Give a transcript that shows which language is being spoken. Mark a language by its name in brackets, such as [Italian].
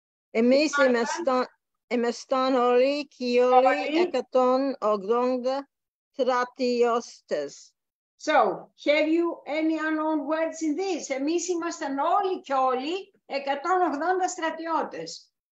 [Greek] εμείς ήμασταν όλοι και όλοι 180 στρατιώτες. [English] So, have you any unknown words in this? [Greek] Εμείς ήμασταν όλοι και όλοι 180 στρατιώτες.